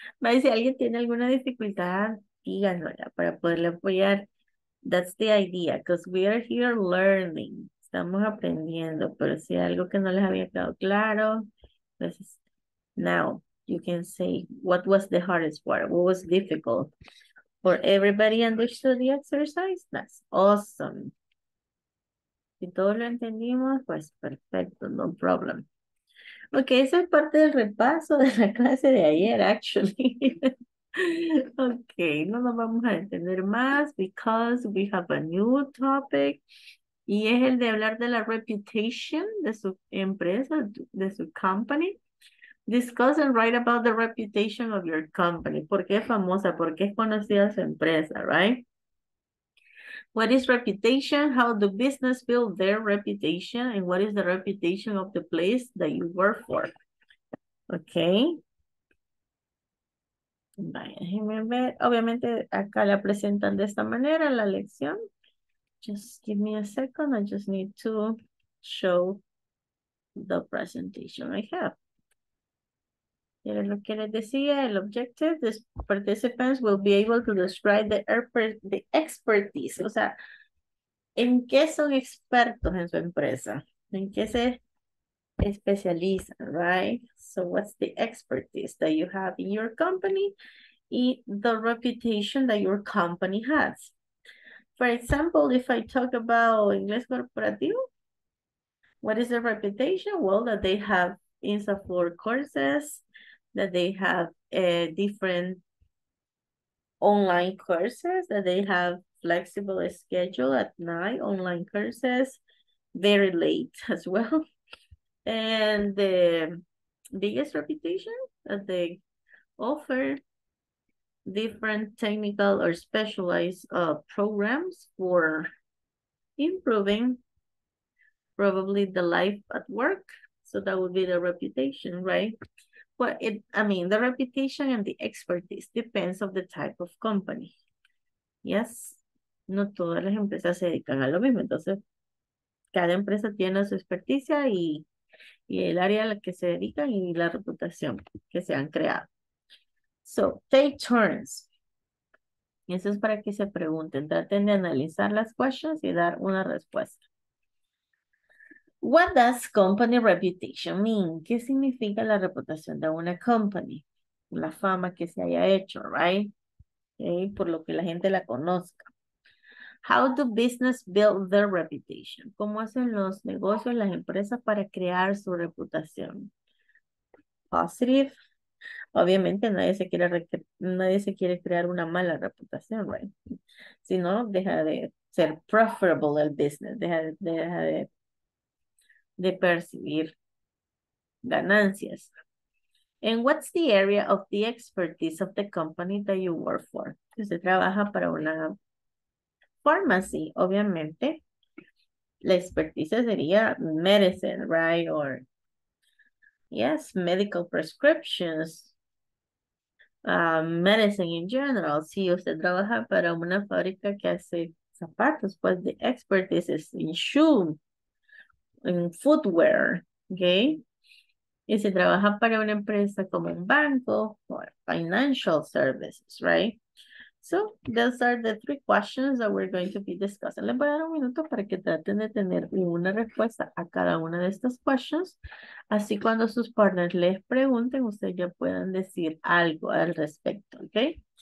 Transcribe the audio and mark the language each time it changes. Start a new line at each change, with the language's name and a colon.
Spanish: Va, si alguien tiene alguna dificultad, díganosla para poderle apoyar.
English: That's the idea, because we are here learning.
Spanish: Estamos aprendiendo, pero si hay algo que no les había quedado claro,
English: this is, now you can say, what was the hardest part? What was difficult? For everybody understood the exercise? That's awesome.
Spanish: Si todos lo entendimos, pues perfecto,
English: no problem.
Spanish: Ok, esa es parte del repaso de la clase de ayer, actually. Okay, no nos vamos a entender más
English: because we have a new topic
Spanish: y es el de hablar de la reputation de su empresa, de su company.
English: Discuss and write about the reputation of your company.
Spanish: ¿Por qué es famosa? ¿Por qué es conocida su empresa? Right?
English: What is reputation? How do business build their reputation? And what is the reputation of the place that you work for? Okay.
Spanish: Déjenme ver. Obviamente acá la presentan de esta manera la lección.
English: Just give me a second. I just need to show the presentation I have.
Spanish: Y era lo que les decía, el objective.
English: The participants will be able to describe the expertise.
Spanish: O sea, ¿en qué son expertos en su empresa? ¿En qué se especializan, right?
English: So what's the expertise that you have in your company y the reputation that your company has? For example, if I talk about Inglés Corporativo, what is the reputation? Well, that they have INSA floor courses, that they have different online courses, that they have flexible schedule at night, online courses, very late as well. And the biggest reputation that they offer different technical or specialized programs for improving probably the life at work. So that would be the reputation, right? Well, the reputation and the expertise depends on the type of company.
Spanish: Yes, no todas las empresas se dedican a lo mismo. Entonces, cada empresa tiene su experticia y el área a la que se dedican y la reputación que se han creado.
English: So, take turns.
Spanish: Y eso es para que se pregunten. Traten de analizar las questions y dar una respuesta.
English: What does company reputation mean?
Spanish: ¿Qué significa la reputación de una company? La fama que se haya hecho, right? Okay, por lo que la gente la conozca.
English: How do business build their reputation?
Spanish: ¿Cómo hacen los negocios, las empresas para crear su reputación? Positive. Obviamente nadie se quiere crear una mala reputación, right? Si no, deja de ser profitable el business, deja de percibir ganancias.
English: And what's the area of the expertise of the company that you work for?
Spanish: Si usted trabaja para una pharmacy, obviamente la expertise sería medicine, right?
English: Or yes, medical prescriptions, medicine in general.
Spanish: Si usted trabaja para una fábrica que hace zapatos, pues
English: the expertise is in shoe, in footwear, okay?
Spanish: Y si trabaja para una empresa como un banco,
English: or financial services, right? So, those are the three questions that we're going to be discussing.
Spanish: Les voy a dar un minuto para que traten de tener una respuesta a cada una de estas questions. Así cuando sus partners les pregunten, ustedes ya puedan decir algo al respecto, okay?